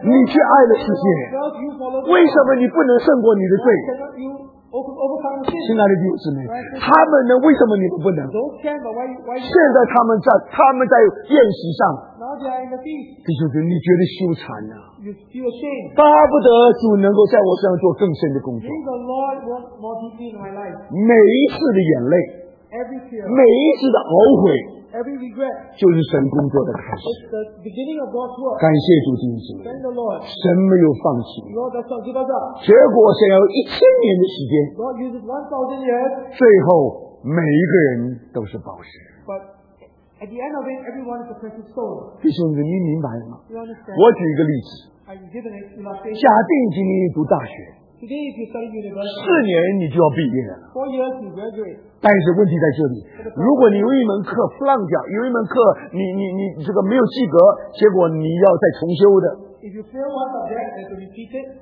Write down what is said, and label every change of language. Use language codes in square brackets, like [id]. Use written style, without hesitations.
[zh] 你却爱了世界 为什么你不能胜过你的罪亲爱的弟兄姊妹他们呢为什么你们不能 [en] why [zh] 现在他们在宴席上 [en] Now they are in the feast. [zh] 弟兄姊妹你觉得羞惭啊 [en] You feel ashamed. [zh] 巴不得主能够在我身上做更深的工作 [en] May the Lord work more deeply in my life. [zh] 每一次的眼泪 [en] Every tear. [zh] 每一次的懊悔 [en] Every regret. [zh] 就是神工作的开始 [en] It's the beginning of God's work. [zh] 感谢主弟兄姊妹 [en] Thank the Lord. [zh] 神没有放弃 [en] Lord does not give us up. [zh] 结果神要一千年的时间 [en] God uses 1,000 years. [zh] 最后每一个人都是宝石 [en] ButAt the end of it, everyone is a precious soul. [zh] 弟兄姊妹，你明白了吗？ [en] You understand? [zh] 我举一个例子。假定今天读大学。 [en] Today, if you study university, [zh] 四年你就要毕业了。 [en] Four years, you graduate. [zh] 但是问题在这里。如果你有一门课 flunk 掉，有一门课你这个没有及格，结果你要再重修的。 [en] If you fail one subject, then to repeat it.